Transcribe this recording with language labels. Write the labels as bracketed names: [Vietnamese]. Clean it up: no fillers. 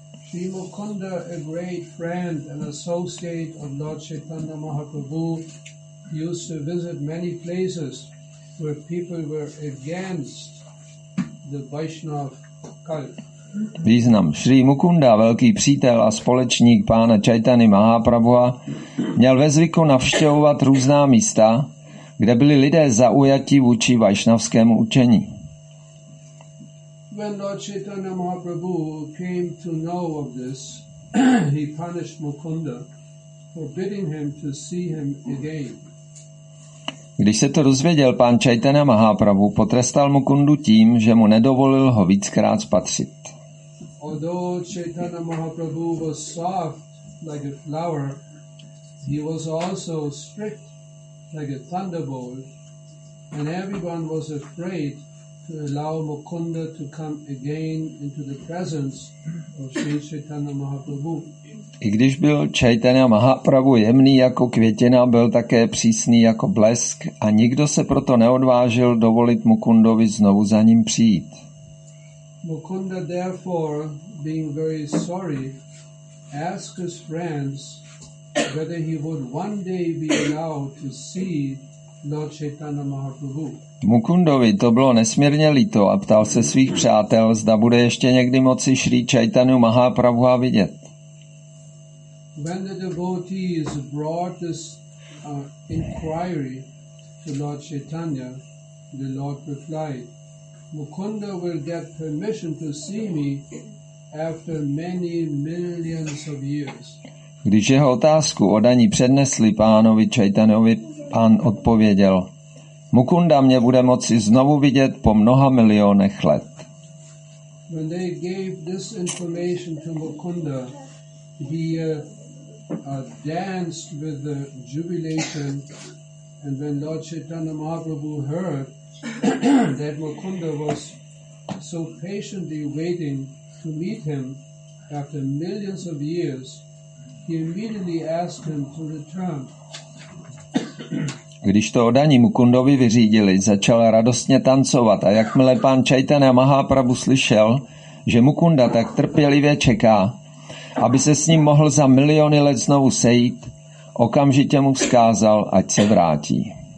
[English] Sri Mukunda, a great friend and associate of Lord Chaitanya Mahaprabhu, used to visit many places where people were against the Vaishnav cult. [Czech] Význam. Sri Mukunda, velký přítel a společník pána Chaitany Mahaprabhuha, měl ve zvyku navštěvovat různá místa, kde byli lidé zaujati vůči vaišnavskému učení. [English] When Lord Chaitanya Mahaprabhu came to know of this, he punished Mukunda, forbidding him to see him again. [Czech] Když se to dozvěděl pán Chaitanya Mahaprabhu, potrestal Mukundu tím, že mu nedovolil ho víckrát spatřit. [English] Although Chaitanya Mahaprabhu was soft like a flower, he was also strict like a thunderbolt, and everyone was afraid to allow Mukunda to come again into the presence of Sri Chaitanya Mahaprabhu. [Czech] I když byl Chaitanya Mahaprabhu jemný jako květina, byl také přísný jako blesk a nikdo se proto neodvážil dovolit Mukundovi znovu za ním přijít. [English] Mukunda therefore, being very sorry, asked his friends whether he would one day be allowed to see Lord Chaitanya Mahaprabhu. [Czech] Mukundovi to bylo nesmírně líto a ptal se svých přátel, zda bude ještě někdy moci Sri Chaitanya Mahaprabhuha vidět. [English] When the devotees brought this inquiry to Lord Chaitanya, the Lord replied, Mukunda will get permission to see me after many millions of years. [Czech] Když jeho otázku o daní přednesli pánovi Chaitanovi, pán odpověděl, Mukunda mě bude moci znovu vidět po mnoha milionech let. [English] When they gave this information to Mukunda, he danced with the jubilation, and when Lord Chaitanya Mahaprabhu heard that Mukunda was so patiently waiting to meet him after millions of years, he immediately asked him to return. [Czech] Když to o daní Mukundovi vyřídili, začal radostně tancovat a jakmile pán Chaitanya Mahaprabhu slyšel, že Mukunda tak trpělivě čeká, aby se s ním mohl za miliony let znovu sejít, okamžitě mu vzkázal, ať se vrátí.